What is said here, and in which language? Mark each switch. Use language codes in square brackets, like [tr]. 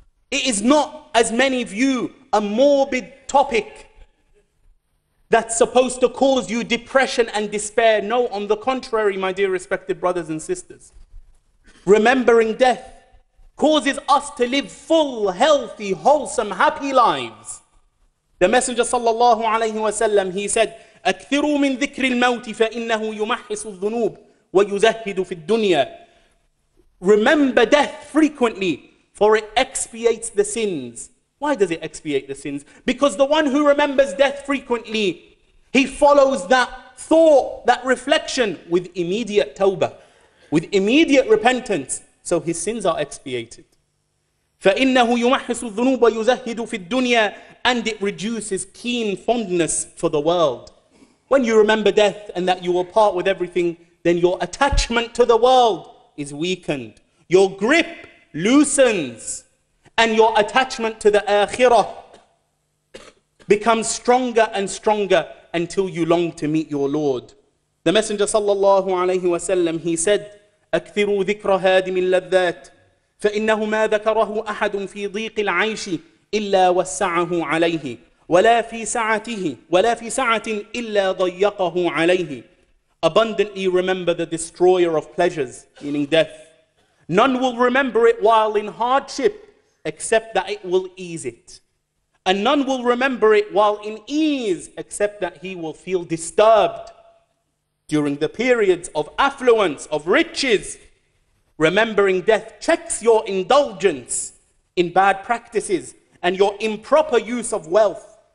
[en] It is not, as many view, a morbid topic that's supposed to cause you depression and despair. No, on the contrary, my dear respected brothers and sisters. Remembering death causes us to live full, healthy, wholesome, happy lives. The Messenger sallallahu alayhi wa sallam, he said, [ar] أَكْثِرُوا مِن ذِكْرِ الْمَوْتِ فَإِنَّهُ يُمَحِّسُ الذُّنُوبِ وَيُزَهِّدُ فِي الدُّنْيَا. [en] Remember death frequently, for it expiates the sins. Why does it expiate the sins? Because the one who remembers death frequently, he follows that thought, that reflection, with immediate tawbah, with immediate repentance, so his sins are expiated. [ar] فَإِنَّهُ يُمَحِّسُ الذُّنُوبَ يُزَهِّدُ فِي الدُّنْيَا. [en] And it reduces keen fondness for the world. When you remember death and that you will part with everything, then your attachment to the world is weakened. Your grip loosens, and your attachment to the akhirah becomes stronger and stronger until you long to meet your Lord. The Messenger sallallahu alayhi wa sallam, he said, [ar] أَكْثِرُوا ذِكْرَ هَادِ مِنْ لَذَّاتِ فَإِنَّهُ مَا ذَكَرَهُ أَحَدٌ فِي ضِيقِ الْعَيْشِ إِلَّا وَسَّعَهُ عَلَيْهِ وَلَا فِي سَعَةٍ إِلَّا ضَيَّقَهُ عَلَيْهِ. [en] Abundantly remember the destroyer of pleasures, meaning death. None will remember it while in hardship, except that it will ease it. And none will remember it while in ease, except that he will feel disturbed. During the periods of affluence, of riches, remembering death checks your indulgence in bad practices and your improper use of wealth.